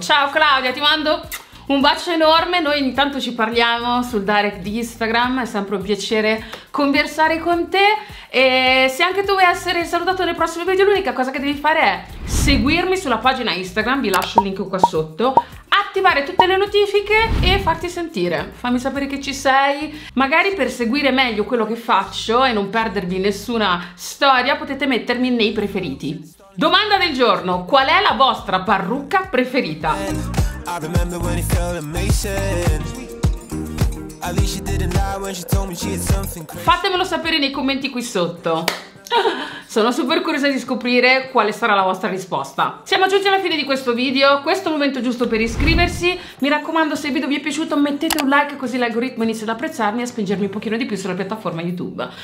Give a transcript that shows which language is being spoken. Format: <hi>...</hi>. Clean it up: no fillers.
<it>Ciao Claudia, ti mando un bacio enorme, noi intanto ci parliamo sul direct di Instagram, è sempre un piacere conversare con te e se anche tu vuoi essere salutato nel prossimo video, l'unica cosa che devi fare è seguirmi sulla pagina Instagram, vi lascio il link qua sotto, attivare tutte le notifiche e farti sentire, fammi sapere che ci sei. Magari per seguire meglio quello che faccio e non perdervi nessuna storia potete mettermi nei preferiti. Domanda del giorno, qual è la vostra parrucca preferita?</it> <en>I remember when it felt amazing. At least she didn't lie when she told me she had something crazy.</en> <it>Fatemelo sapere nei commenti qui sotto. Sono super curiosa di scoprire quale sarà la vostra risposta. Siamo giunti alla fine di questo video, questo è il momento giusto per iscriversi. Mi raccomando, se il video vi è piaciuto mettete un like così l'algoritmo inizia ad apprezzarmi e a spingermi un pochino di più sulla piattaforma YouTube.</it>